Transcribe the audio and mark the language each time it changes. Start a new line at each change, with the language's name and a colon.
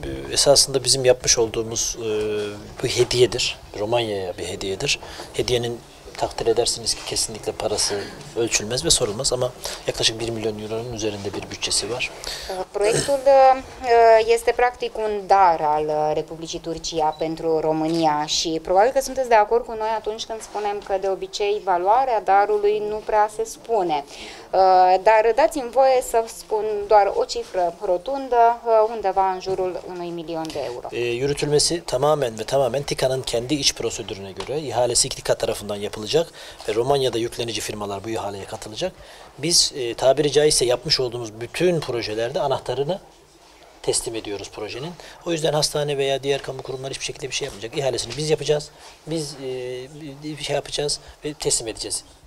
Turkish: Esasında bizim yapmış olduğumuz bu hediyedir. Romanya'ya bir hediyedir. Hediyenin takdir edersiniz ki kesinlikle parası ölçülmez ve sorulmaz ama yaklaşık 1 milyon euronun üzerinde bir bütçesi var.
Romanian: Proiectul este practic un dar al Republicii Turcia pentru România și probabil că sunteți de acord cu noi atunci când spunem că de obicei valoarea darului nu prea se spune. Dar dați-mi voie să spun doar o cifră rotundă, undeva în jurul 1 milyon de euro.
Turkish: Yürütülmesi tamamen ve tamamen TİKA'nın kendi iç prosedürüne göre ihalesi TİKA tarafından yapılacak ve Romanya'da yüklenici firmalar bu ihaleye katılacak. Biz tabiri caizse yapmış olduğumuz bütün projelerde anahtarını teslim ediyoruz projenin. O yüzden hastane veya diğer kamu kurumları hiçbir şekilde bir şey yapmayacak. İhalesini biz yapacağız. Biz bir şey yapacağız ve teslim edeceğiz.